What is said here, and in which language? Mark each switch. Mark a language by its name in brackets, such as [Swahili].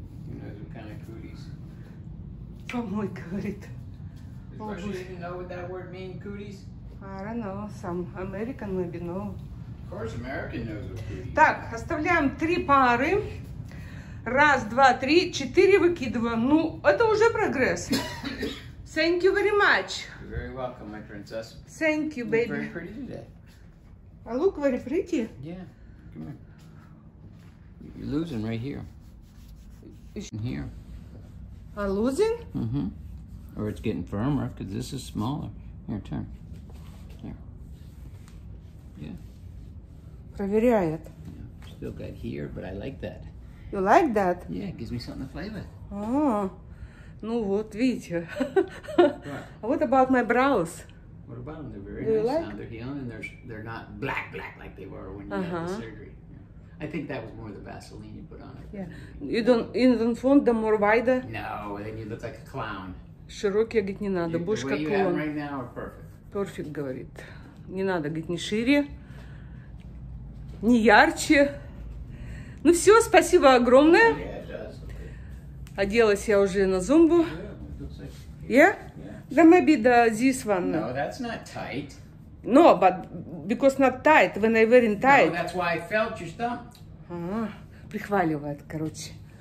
[English] You know, some kind of cooties. [Russian] Помой, говорит. [English] Does Russia even know what that word means, cooties? I don't know. Some American maybe know. Of course, American knows what cooties. [Russian] Так, оставляем три пары. Раз, два, три, четыре выкидываем. Ну, это уже прогресс. [English] Thank you very much. You're very welcome, my princess. Thank you, baby. You look very pretty today. I look very pretty? Yeah. Come here. You're losing right here. In here. I'm losing? Mm-hmm. Or it's getting firmer because this is smaller. Here, turn. Here. Yeah. [Russian] Проверяет. Yeah. [English] Still got here, but I like that. You like that? Yeah, it gives me something to play with. Oh. [Russian] Ну вот, видите. [English] What about my brows? What about them? They're very nice like? Now. They're healing and they're not black like they were when you had the surgery. Yeah. I think that was more the Vaseline you put on it. Yeah. You don't want them more wider? No, then you look like a clown. [Russian] Широкие, говорит, не надо. Будешь как [English] клоун. The way you have them right now are perfect. [Russian] Perfect, говорит. Не надо, говорит, не шире. Не ярче. Ну все, спасибо огромное. Оделась я уже на зумбу. [English] Yeah? Да, maybe the this one. No, that's not tight. No, but because not tight, when I wearing tight. No, that's why I felt your stump. [Russian] Ага, прихваливает, короче.